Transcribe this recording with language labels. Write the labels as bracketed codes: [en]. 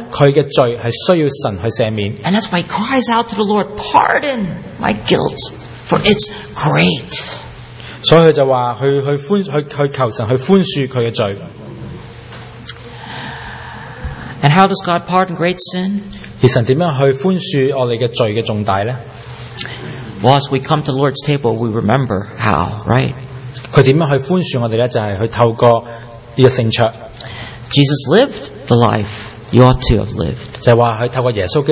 [zh] 而大卫越相信神的时候，越成熟的时候，更加明白自己的生命，更加需要知道，更加需要知道就是他的罪是需要神去赦免。 [en] And that's why he cries out to the Lord, pardon my guilt, for it's great. [zh] 所以他就说，他求神去宽恕他的罪。 [en] And how does God pardon great sin? [zh] 而神怎样去宽恕我们的罪的重大呢？ [en] Well, as we come to the Lord's table, we remember how, right? [zh] 他怎样去宽恕我们呢？就是去透过这个圣桌。 [en] Jesus lived the life you ought to have lived.